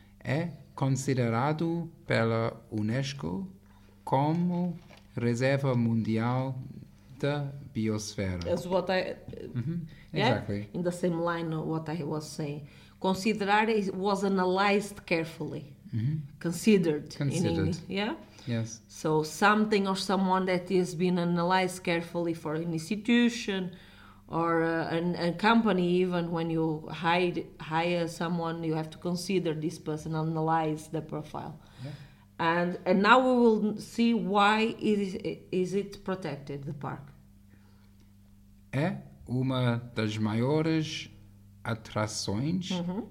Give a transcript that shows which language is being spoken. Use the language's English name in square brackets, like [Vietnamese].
[Portuguese] é considerado pela UNESCO como Reserva Mundial da Biosfera. [English] That's what I... Mm-hmm. Yeah? Exactly. In the same line of what I was saying. Considerar was analyzed carefully. Mm-hmm. Considered. In English, yeah? Yes. So something or someone that has been analyzed carefully for an institution or a company, even when you hire someone, you have to consider this person, analyze the profile. Yeah. And now we will see why is it protected, the park. [Portuguese] É uma das maiores atrações mm-hmm.